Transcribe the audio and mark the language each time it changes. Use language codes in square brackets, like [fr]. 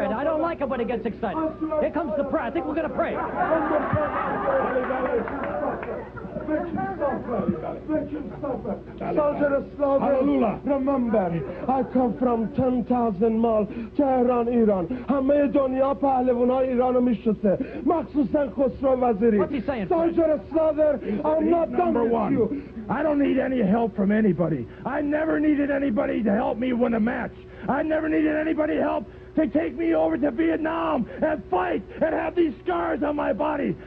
[en] I don't like it when he gets excited. Here comes the prayer. I think we're going to pray. Remember, I come from 10,000 miles, Tehran, Iran. [fa] همه دنیا پهلوانای ایرانو میشناسه. مخصوصا خسرو وزیری. [en] What's he saying? Sergeant Slaughter, I'm not done with you. I don't need any help from anybody. I never needed anybody to help me win a match. I never needed anybody help to take me over to Vietnam and fight and have these scars on my body.